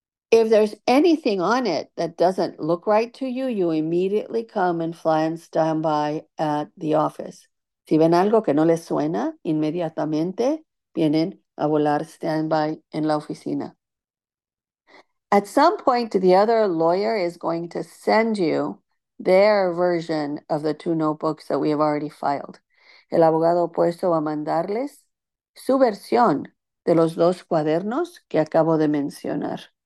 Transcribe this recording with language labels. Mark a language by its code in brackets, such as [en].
[en] If there's anything on it that doesn't look right to you, you immediately come and fly and stand by at the office. [es] Si ven algo que no les suena, inmediatamente vienen a volar stand by en la oficina. [en] At some point, the other lawyer is going to send you their version of the two notebooks that we have already filed. [es] El abogado opuesto va a mandarles su versión de los dos cuadernos que acabo de mencionar.